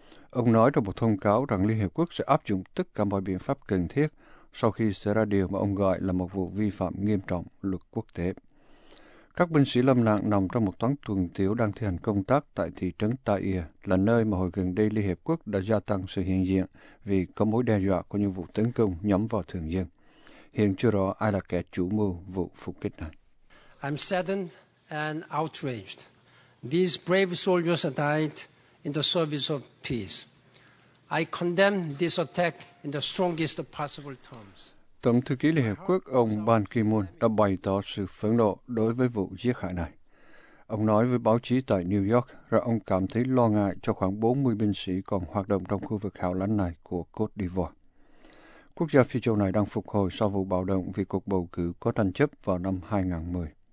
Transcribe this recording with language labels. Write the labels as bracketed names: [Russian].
[Vietnamese] Ông nói trong một thông cáo rằng Liên Hiệp Quốc sẽ áp dụng tất cả mọi biện pháp cần thiết sau khi xảy ra điều mà ông gọi là một vụ vi phạm nghiêm trọng luật quốc tế. Các binh sĩ lâm nạn nằm trong một toán tuần tiểu đang thi hành công tác tại thị trấn Taïa, là nơi mà hồi gần đây Liên Hiệp Quốc đã gia tăng sự hiện diện vì có mối đe dọa của những vụ tấn công nhắm vào thường dân. Hiện chưa rõ ai là kẻ chủ mưu vụ phục kích này. [English] I'm saddened and outraged. These brave soldiers died in the service of peace. I condemn this attack in the strongest possible terms. [Vietnamese] Tổng thư ký Liên Hiệp Quốc ông Ban Ki-moon đã bày tỏ sự phẫn nộ đối với vụ giết hại này. Ông nói với báo chí tại New York rằng ông cảm thấy lo ngại cho khoảng 40 binh sĩ còn hoạt động trong khu vực hẻo lánh này của Côte d'Ivoire. Quốc gia Phi châu này đang phục hồi sau vụ bạo động vì cuộc bầu cử có tranh chấp vào năm 2010.